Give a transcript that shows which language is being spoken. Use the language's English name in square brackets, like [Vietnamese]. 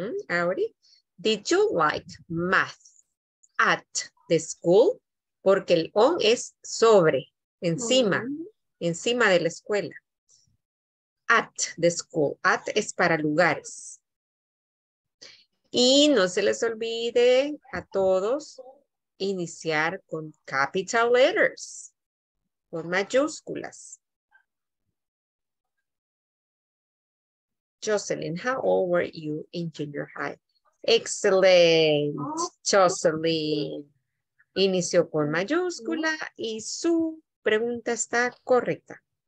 [English] Auri, did you like math at the school? [Spanish] Porque el on es sobre, encima, encima de la escuela. [English] At the school, at [Spanish] es para lugares. Y no se les olvide a todos iniciar con [English] capital letters, [Spanish] con mayúsculas. [English] Jocelyn, how old were you in junior high? Excellent, Jocelyn. [Spanish] Inició con mayúscula y su pregunta está correcta.